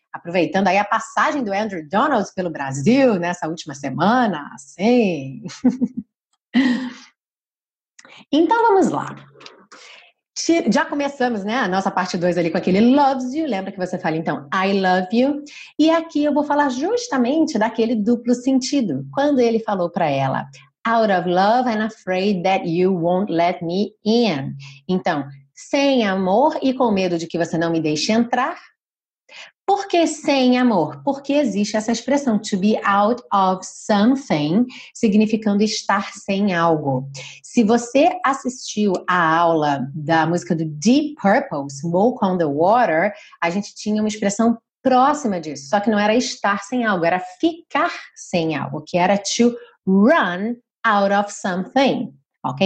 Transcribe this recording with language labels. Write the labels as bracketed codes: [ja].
[pt] Aproveitando aí a passagem do Andrew Donald pelo Brasil nessa última semana, sim. Então, vamos lá. Já começamos, né, a nossa parte 2 ali com aquele loves you. Lembra que você fala, então, [en] I love you. [pt] E aqui eu vou falar justamente daquele duplo sentido. Quando ele falou para ela, [en] out of love and afraid that you won't let me in. [pt] Então, sem amor e com medo de que você não me deixe entrar. Por que sem amor? Porque existe essa expressão, [en] to be out of something, [pt] significando estar sem algo. Se você assistiu a aula da música do Deep Purple, Smoke on the Water, a gente tinha uma expressão próxima disso, só que não era estar sem algo, era ficar sem algo, que era [en] to run out of something. [pt] Ok?